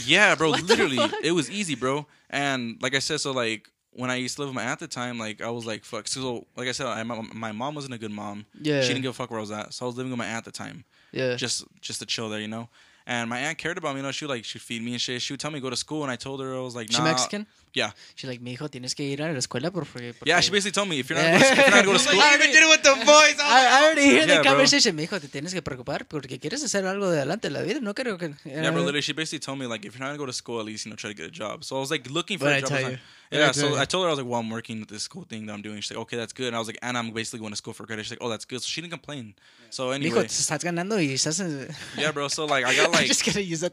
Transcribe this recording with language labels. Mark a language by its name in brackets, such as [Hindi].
[English] Yeah, bro, literally. It was easy, bro. And, like I said, so, like... When I used to live with my aunt at the time, like, I was like, fuck. So, like I said, my mom wasn't a good mom. Yeah. She didn't give a fuck where I was at. So, I was living with my aunt at the time. Yeah. Just to chill there, you know? And my aunt cared about me, you know? She would, like, she'd feed me and shit. She would tell me to go to school, and I told her, I was like, nah. She Mexican? Yeah. She's like, [Spanish] mijo, tienes que ir a la escuela, por favor. [English] Yeah, she basically told me, if you're not going to go to school. I even did it with the voice. I already hear the conversation. [Spanish] Mijo, te tienes que preocupar porque quieres hacer algo de adelante en la vida. No creo que... [English] Yeah, bro, literally, she basically told me, like, if you're not going to go to school, at least, you know, try to get a job. So I was, like, looking for I told her, I was like, well, I'm working with this school thing that I'm doing. She's like, okay, that's good. And I was like, and I'm basically going to school for credit. She's like, oh, that's good. So she didn't complain. So anyway. [Spanish] Mijo, te estás ganando y estás... [English] Yeah, bro. So, like, I got, like, just gonna use that